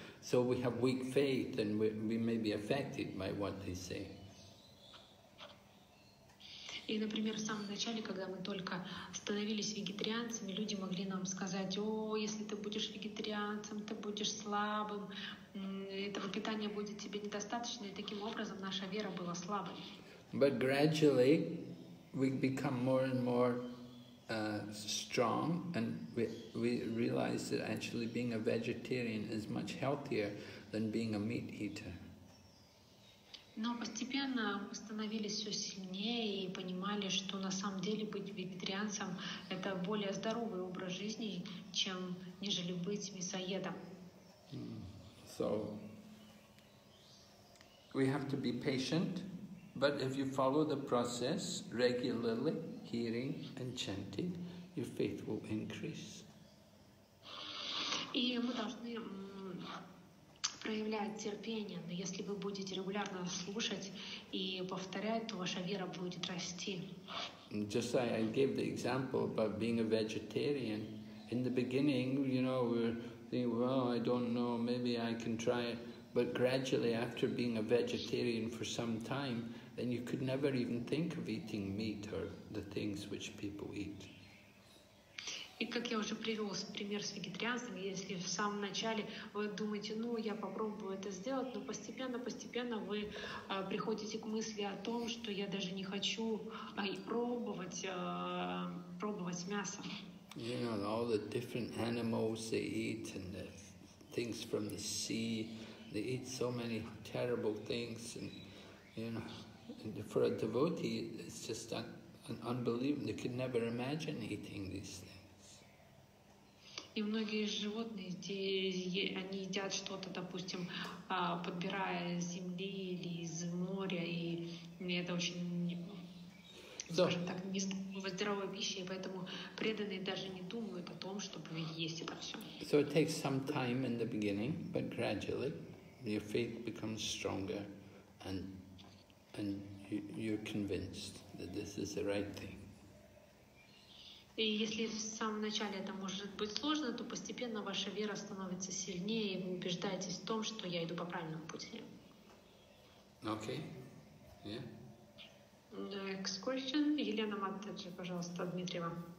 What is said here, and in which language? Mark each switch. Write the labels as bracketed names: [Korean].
[English] So we have weak faith, and we may be affected by what they say. [Russian] И, например, в самом начале, когда мы только становились вегетарианцами, люди могли нам сказать: «О, если ты будешь вегетарианцем, ты будешь слабым, этого питания будет тебе недостаточно», и таким образом наша вера была слабой. [English] But gradually we become more and more strong, and we realize that actually being a vegetarian is much healthier than being a meat eater. [Russian] Но постепенно мы становились все сильнее и понимали, что на самом деле быть вегетарианцем – это более здоровый образ жизни, чем нежели быть мясоедом. [English] So, we have to be patient, but if you follow the process regularly, hearing and chanting, your faith will increase. [Russian] И мы должны проявлять терпение, но если вы будете регулярно слушать и повторять, то ваша вера будет расти. [English] Just like I gave the example about being a vegetarian. In the beginning, you know, we were thinking, well, I don't know, maybe I can try it. But gradually, after being a vegetarian for some time, then you could never even think of eating meat or the things which people eat. [Russian] И как я уже привел пример с вегетарианством, если в самом начале вы думаете, ну, я попробую это сделать, но постепенно вы приходите к мысли о том, что я даже не хочу пробовать мясо. [English] You know, all the different animals they eat, and the things from the sea, they eat so many terrible things, and, you know, and for a devotee, it's just an unbelievable, they could never imagine eating these things. [Russian] И многие животные, они едят что-то, допустим, подбирая из земли или из моря, и это очень, скажем так, не здоровая пища, и поэтому преданные даже не думают о том, чтобы есть это все. [English] So it takes some time in the beginning, but gradually your faith becomes stronger, and you're convinced that this is the right thing. [Russian] И если в самом начале это может быть сложно, то постепенно ваша вера становится сильнее, и вы убеждаетесь в том, что я иду по правильному пути. [English] Okay. Yeah. Next question. [Russian] Елена Матаджи, пожалуйста, Дмитриева.